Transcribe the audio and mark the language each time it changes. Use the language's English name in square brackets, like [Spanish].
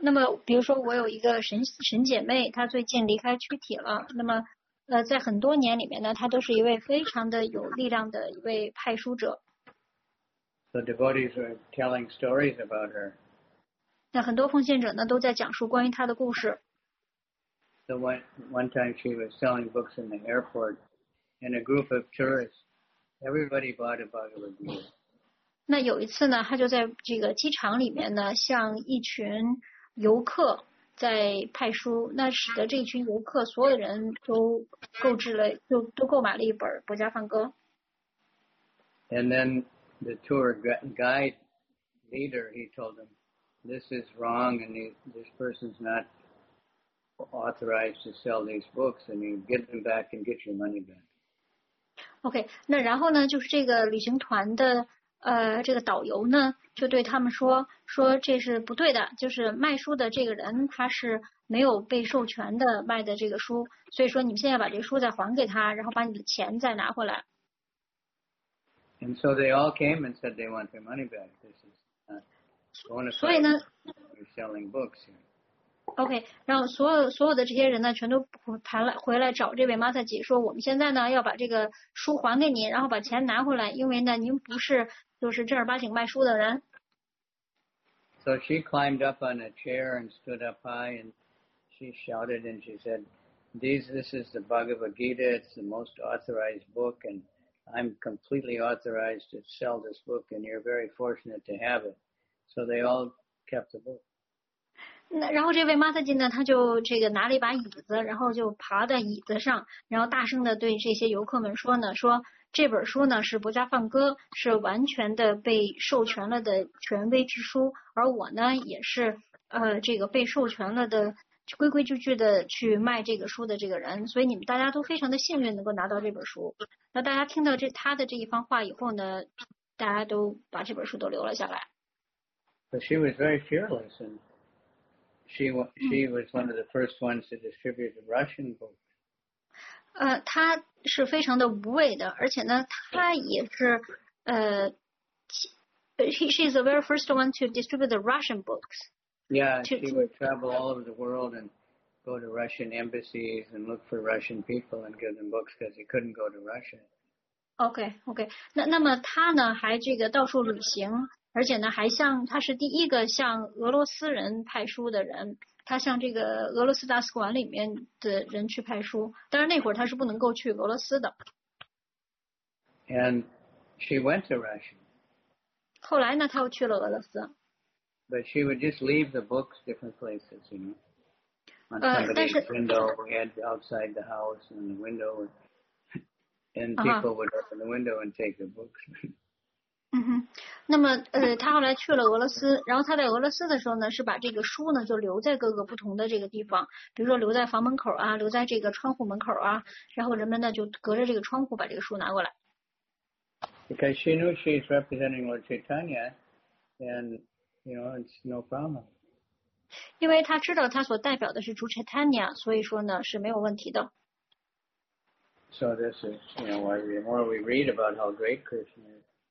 [Chinese] 那么比如说我有一个神姐妹，她最近离开躯体了，那么。在很多年里面呢，他都是一位非常的有力量的一位派书者。 [English] The devotees were telling stories about her. [Chinese] 那很多奉献者呢，都在讲述关于他的故事。 [English] So one time she was selling books in the airport, and a group of tourists, everybody bought a Bhagavad Gita. [Chinese] 那有一次呢，他就在这个机场里面呢，向一群游客在派书，那使得这群游客所有的人都购置了，都购买了一本《博加梵歌》。 [English] And then the tour guide leader, he told them, "This is wrong, and this person's not authorized to sell these books, and you give them back and get your money back." [Chinese] OK， 那然后呢，就是这个旅行团的这个导游呢，就对他们说这是不对的，就是卖书的这个人他是没有被授权的卖的这个书，所以说你们现在把这书再还给他，然后把你的钱再拿回来。 [English] And so they all came and said they want their money back. This is not going to be selling books here. [Chinese] OK， 然后所有的这些人呢，全都回来找这位 Mata 姐说，我们现在呢要把这个书还给您，然后把钱拿回来，因为呢您不是就是正儿八经卖书的人。 [English] So she climbed up on a chair and stood up high, and she shouted and she said, "This is the Bhagavad Gita. It's the most authorized book, and I'm completely authorized to sell this book, and you're very fortunate to have it." So they all kept the book. [Chinese] 那然后这位 Mata 姐呢，她就这个拿了一把椅子，然后就爬在椅子上，然后大声的对这些游客们说呢，说这本书呢是《博加梵歌》，是完全的被授权了的权威之书，而我呢也是这个被授权了的规规矩矩的去卖这个书的这个人，所以你们大家都非常的幸运能够拿到这本书。那大家听到他的这一番话以后呢，大家都把这本书都留了下来。 [English] But she was very fearless, and she was one of the first ones to distribute the Russian book. [Chinese] 她是非常的无畏的，而且呢，她也是 [English] she is the very first one to distribute the Russian books. She would travel all over the world and go to Russian embassies and look for Russian people and give them books because he couldn't go to Russia. Okay. [Chinese] 那么她呢，还这个到处旅行。而且呢，他是第一个向俄罗斯人派书的人，他向这个俄罗斯大使馆里面的人去派书，但是那会儿他是不能够去俄罗斯的。 [English] And she went to Russia. [Chinese] 后来呢，他又去了俄罗斯。 [English] But she would just leave the books different places, you know, on somebody's window, and outside the house, and the window, and people would open the window and take the books. [Chinese] 那么他后来去了俄罗斯，然后他在俄罗斯的时候呢，是把这个书呢就留在各个不同的这个地方，比如说留在房门口啊，留在这个窗户门口啊，然后人们呢就隔着这个窗户把这个书拿过来。 [English] Because she knew she's representing Lord Chaitanya, and you know it's no problem. [Chinese] 因为他知道他所代表的是主 Chaitanya, 所以说呢是没有问题的。 [English] So this is, you know, why the more we read about how great Krishna is.